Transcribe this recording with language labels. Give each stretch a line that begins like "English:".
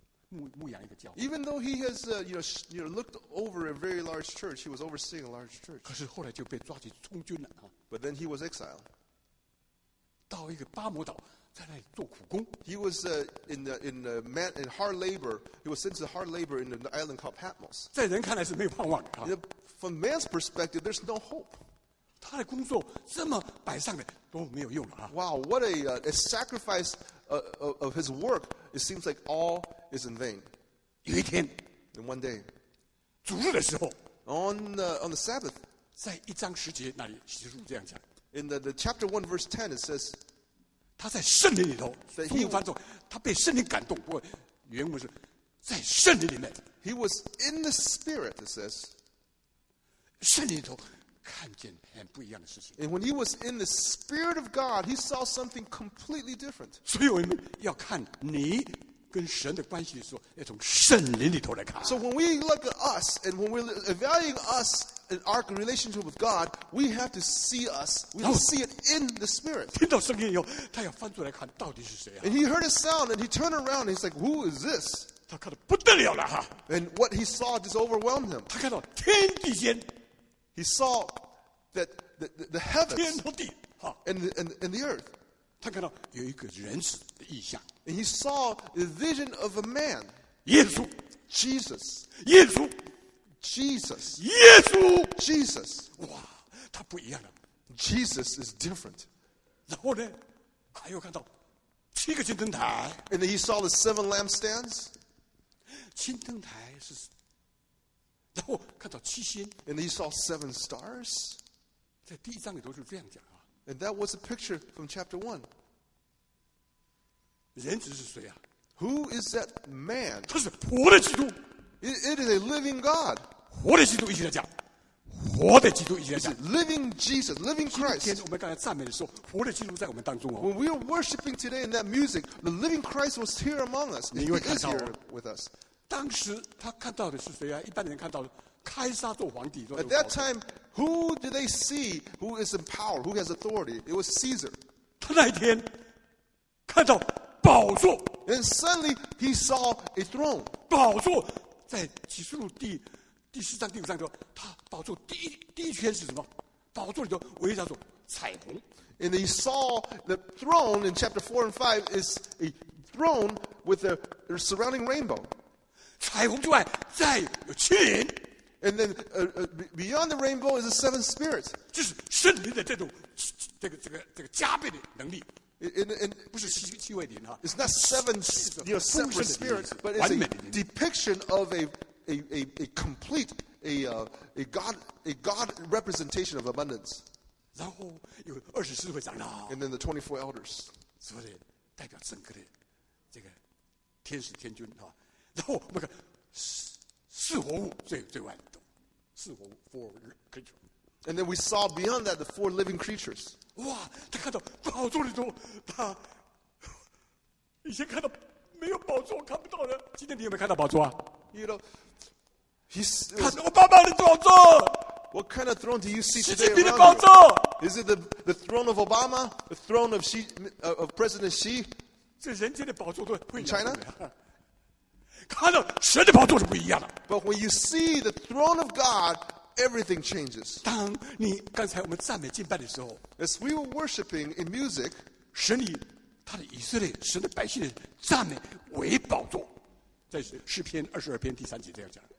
English: Even though he has looked over a very large church, he was overseeing a large church.
Chinese: 可是后来就被抓去充军了、啊、
English: But then he was exiled.
Chinese: 到一个巴摩岛，在那里做苦工。
English: He was in hard labor. He was sent to hard labor in an island called Patmos.
Chinese: 在人看来是没有盼望的、啊。
English: You know, from man's perspective, there's no hope.
Chinese: 他的工作这么摆上的都没有用了、啊、
English: Wow, what a sacrifice of his work! It seems like all is in vain.
Chinese: 有一天
English: in one day,
Chinese: 主日的时候
English: on the Sabbath,
Chinese: 在一章十节那里启示录这样讲
English: in the chapter 1 verse 10 it says,
Chinese: 他在圣灵里头，他被圣灵感动。不过原文是在圣灵里面。
English: He was in the Spirit, it says.
Chinese: 圣灵里头看见很不一样的事情。
English: And when he was in the Spirit of God, he saw something completely different.
Chinese: 所以我们要看你跟神的关系的时候，要从圣灵里头来看。
English: So when we look at us, and when we evaluate us in our relationship with God, we have to see us, we have to see it in the Spirit.
Chinese: 听到声音以后，他要翻出来看到底是谁啊。
English: And he heard a sound, and he turned around, and he's like, who is this?
Chinese: 他看得不得了了哈。
English: And what he saw just overwhelmed him.
Chinese: 他看到天地间。
English: He saw that the heavens.
Chinese: 天和地。
English: And the earth.
Chinese: 他看到有一个人子的异象。
English: And he saw the vision of a man.
Chinese: 耶稣。
English: Jesus.
Chinese: 耶稣。
English: Jesus.
Chinese: 耶稣。
English: Jesus.
Chinese: 哇，他不一样了。
English: Jesus is different.
Chinese: 然后呢，他又看到七个金灯台。
English: And then he saw the seven lampstands.
Chinese: 青灯台是，然后看到七星。
English: And he saw seven stars.
Chinese: 在第一章里头是这样讲啊。
English: And that was a picture from chapter one.
Chinese: 人子是谁啊
English: ？Who is that man？
Chinese: 他是活的基督。
English: It is a living God.
Chinese: 活的基督一直在讲，活的基督一直在讲。
English: It's living Jesus, living Christ.
Chinese: 今天我们刚才赞美的时候，活的基督在我们当中哦。
English: When we are worshiping today in that music, the living Christ was here among us. He is here with us.
Chinese: 当时他看到的是谁啊？一般人看到凯撒做皇帝。
English: At that time, who did they see? Who is in power? Who has authority? It was Caesar.
Chinese: 他那一天看到宝座。
English: And suddenly he saw a throne.
Chinese: 宝座在启示录第四章第五章说，他宝座第一圈是什么？宝座里头围绕着彩虹。
English: And he saw the throne in chapter 4 and 5 is a throne with a surrounding rainbow.
Chinese: 彩虹之外，再有七灵。
English: And then, beyond the rainbow is the seven spirits.
Chinese: 就是圣灵的这种这个加倍的能力。
English: And
Chinese: 不是七位灵啊。
English: It's not seven, you know, separate spirits, but it's a depiction of a complete God representation of abundance.
Chinese: 然后有二十四位长老。
English: And then the 24 elders.
Chinese: 是不是代表整个的这个天使天君啊？然后我们看四活物最外的四活物
English: four creatures. And then we saw beyond that the four living creatures.
Chinese: 哇，他看到宝座里头，他以前看到没有宝座看不到的。今天你有没有看到宝座啊
English: ？You know, he's
Chinese: 看到我爸爸的宝座。
English: What kind of throne do you see today?
Chinese: 习近平的宝座。
English: Is it the throne of Obama? The throne of Xi, of President Xi?
Chinese: 这人间的宝座都会
English: in China?
Chinese: 看到神的宝座是不一样的。
English: But when you see the throne of God, everything changes.
Chinese: 当你刚才我们赞美敬拜的时候
English: ，as we were worshiping in music,
Chinese: 神以他的以色列神的百姓的赞美为宝座，在诗篇二十二篇第三节这样讲。